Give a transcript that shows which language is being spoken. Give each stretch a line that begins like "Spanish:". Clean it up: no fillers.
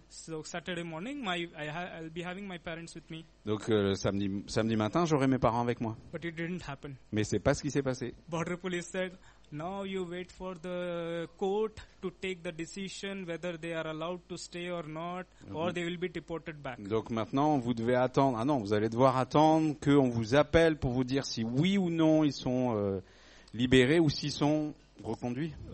English: So Saturday morning, I'll be having my parents with me.
French: Donc samedi matin, j'aurai mes parents avec moi.
English: But it didn't happen.
French: Mais c'est pas ce qui s'est passé.
English: Border police said. Now you wait for the court to take the decision whether they are allowed to stay or not, or they will be deported back.
French: Donc maintenant, vous devez attendre. Ah non, vous allez devoir attendre qu'on vous appelle pour vous dire si oui ou non ils sont libérés ou s'ils sont reconduits.